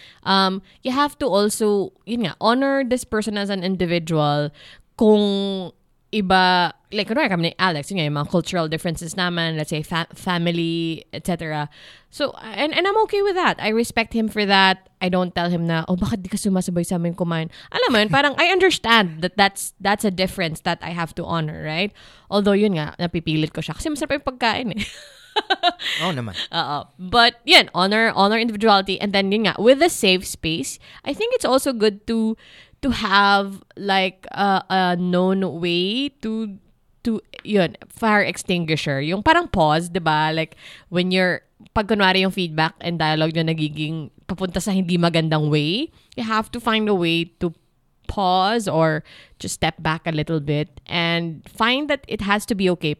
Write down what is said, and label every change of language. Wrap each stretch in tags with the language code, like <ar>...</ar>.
<en>You have to also,</en> <tl>yun nga,</tl> <en>honor this person as an individual</en> <tl>kung iba,</tl> <en>like,</en> <tl>kung kami ni Alex, yun nga, yung mga</tl> <en>cultural differences naman, let's say, family, etc. So, and I'm okay with that. I respect him for that. I don't tell him na, oh,</en> <tl>bakit di ka sumasabay sa amin kumain? Alam mo yun, parang</tl> <en>I understand that that's a difference that I have to honor, right?</en> <tl>Although, yun nga, napipilit ko siya kasi masarap yung pagkain eh. Oh, naman.</tl> <en>But, yun, honor individuality. And then,</en> <tl>yun nga,</tl> <en>with a safe space, I think it's also good to have, like, a known way to yun, fire extinguisher.</en> <tl>Yung parang</tl> <en>pause,</en> <tl>diba?</tl> <en>Like, when you're,</en> <tl>pag kunwari yung</tl> <en>feedback and dialogue</en> <tl>nyo nagiging papunta sa hindi magandang</tl> <en>way, you have to find a way to pause or just step back a little bit and find that it has to be okay.</en>